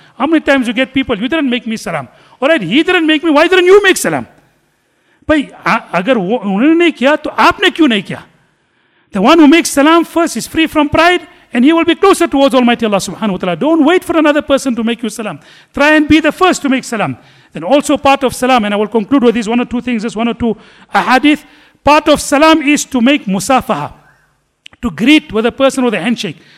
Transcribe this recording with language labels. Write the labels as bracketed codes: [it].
[en] How many times you get people, you didn't make me salam. All right, he didn't make me, why didn't you make salam? [hi] भाई अगर वो उन्होंने नहीं किया तो आपने क्यों नहीं किया? [en] The one who makes salam first is free from pride and he will be closer towards Almighty Allah subhanahu wa ta'ala. Don't wait for another person to make you salam. Try and be the first to make salam. Then also part of salam, and I will conclude with these one or two things, this one or two ahadith. Part of salam is to make musafaha, to greet with a person with a handshake.